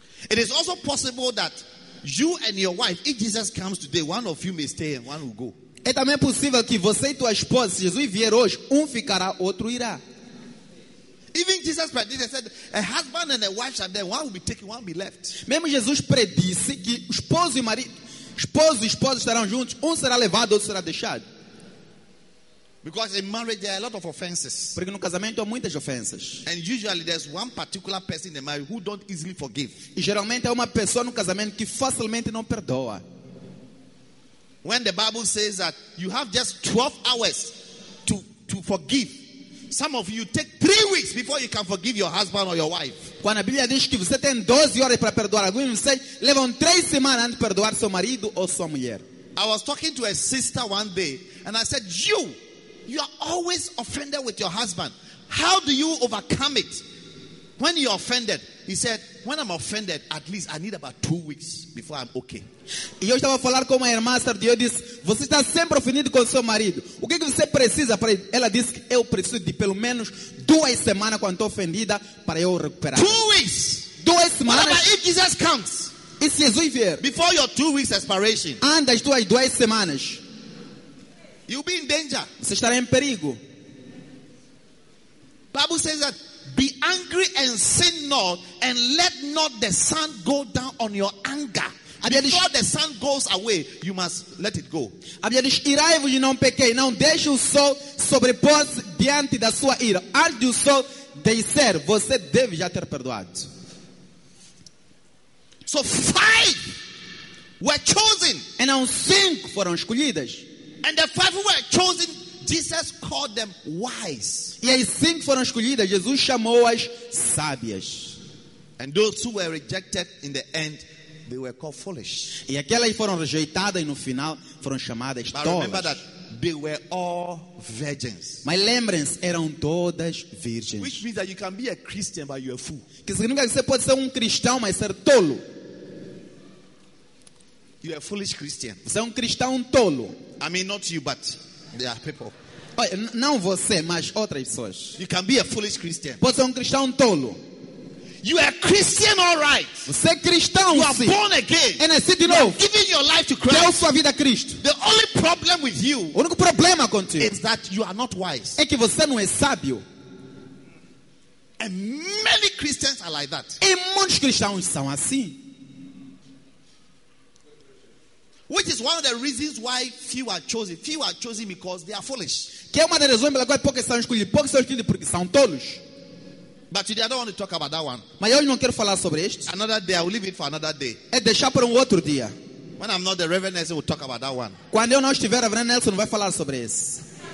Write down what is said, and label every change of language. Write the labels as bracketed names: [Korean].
[English] It is also possible that you and your wife, if Jesus comes today, one of you may stay and one will go. [Portuguese] É também possível que você e tua esposa, se Jesus vier hoje, ficará, outro irá. [English] Even Jesus predicted, said, a husband and a wife shall be, one will be taken, one will be left. [Portuguese] Mesmo Jesus predisse que esposo e marido, esposo e esposa estarão juntos, será levado, outro será deixado. [English] Because in marriage there are a lot of offenses. [Portuguese] Porque no casamento há muitas ofensas. [English] And usually there's one particular person in the marriage who don't easily forgive. [Portuguese] E geralmente há uma pessoa no casamento que facilmente não perdoa. [English] When the Bible says that you have just 12 hours to forgive, some of you take 3 weeks before you can forgive your husband or your wife. [Portuguese] Quando a Bíblia diz que você tem 12 horas para perdoar alguém, você leva 3 semanas antes de perdoar seu marido ou sua mulher. [English] I was talking to a sister one day and I said, you are always offended with your husband. How do you overcome it when you're offended? He said, when I'm offended, at least I need about 2 weeks before I'm okay. [Portuguese] E eu estava a falar com uma irmã, certo? E eu disse, você está sempre ofendido com seu marido. O que você precisa para ele? Ela disse que eu preciso de pelo menos 2 semanas quando estou ofendida para eu recuperar. [English] 2 weeks. [Portuguese] 2 semanas. [English] What about if Jesus comes? [Portuguese] E se Jesus vier? [English] Before your 2 weeks expiration. [Portuguese] Antes das 2 semanas. [English] You'll be in danger. [Portuguese] Você estará em perigo. [English] Bible says that, be angry and sin not, and let not the sun go down on your anger. Before the sun goes away, you must let it go. [Portuguese] A Bíblia diz, irai-vos e não pequei, não deixe o sol sobrepor-se diante da sua ira. Antes do sol descer, você deve já ter perdoado. [English] So five were chosen. [Portuguese] E não 5 foram escolhidas. [English] And the 5 were chosen, Jesus called them wise. [Portuguese] E as 5 foram escolhidas, Jesus chamou-as sábias. [English] And those who were rejected in the end, they were called foolish. [Portuguese] E aquelas foram rejeitadas e no final foram chamadas tolas. [English] But remember that they were all virgins. [Portuguese] Mas lembrem-se, eram todas virgens. [English] Which means that you can be a Christian but you are a fool. [Portuguese] Que significa que você pode ser cristão mas ser tolo. [English] You are a foolish Christian. [Portuguese] Você cristão tolo. [English] I mean not you but there are people. [Portuguese] Olha, não você, mas outras pessoas. [English] You can be a foolish Christian. [Portuguese] Pode ser cristão tolo. [English] You are Christian, all right. [Portuguese] Você é cristão, [English] you are [Portuguese] sim. [English] Born again. And I said, you know, giving your life to Christ. [Portuguese] Deu sua vida a Cristo. [English] The only problem with you, [Portuguese] o único problema contigo, [English] is that you are not wise. [Portuguese] É que você não é sábio. [English] And many Christians are like that. [Portuguese] E muitos cristãos são assim. [English] Which is one of the reasons why few are chosen. Few are chosen because they are foolish. [Portuguese] Que é uma das razões pela qual poucos são escolhidos. Poucos são escolhidos porque são tolos. [English] But today I don't want to talk about that one. [Portuguese] Mas hoje não quero falar sobre isto. [English] Another day, I will leave it for another day. [Portuguese] É deixar para outro dia. [English] When I'm not the Reverend Nelson, we'll talk about that one. [Portuguese] Quando eu não estiver, a Reverend Nelson vai falar sobre isso.